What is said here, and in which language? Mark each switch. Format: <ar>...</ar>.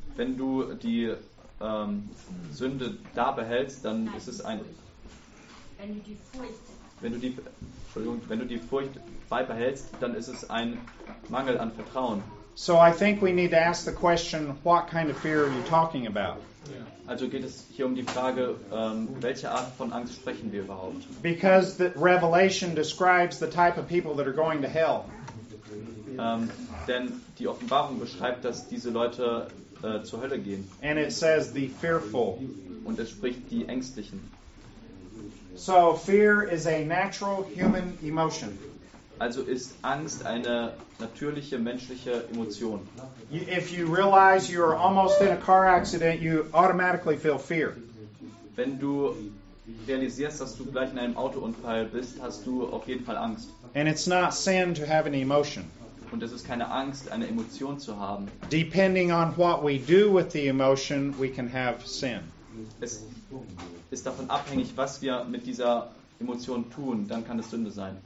<de>Wenn du die Sünde da behältst, dann ist es ein Wenn du die Furcht beibehältst, dann ist es ein Mangel an Vertrauen.</de> <en>So I think we need to ask the question, what kind of fear are you talking about?</en> <de>Also geht es hier um die Frage, welche Art von Angst sprechen wir überhaupt?</de> <en>Because the Revelation describes the type of people that are going to hell.</en> <de>Denn die Offenbarung beschreibt, dass diese Leute zur Hölle gehen.</de> <en>And it says the fearful.</en> <de>Und es spricht die Ängstlichen.</de> <en>So fear is a natural human emotion.</en> <de>Also ist Angst eine natürliche menschliche Emotion.</de> <en>If you realize you're almost in a car accident, you automatically feel fear.</en> <de>Wenn du realisierst, dass du gleich in einem Autounfall bist, hast du auf jeden Fall Angst.</de> <en>And it's not sin to have an emotion.</en> <de>Und es ist keine Angst, eine Emotion zu haben.</de> <en>Depending on what we do with the emotion, we can have sin.</en> <de>Es ist davon abhängig, was wir mit dieser Emotion tun, dann kann es Sünde sein.</de>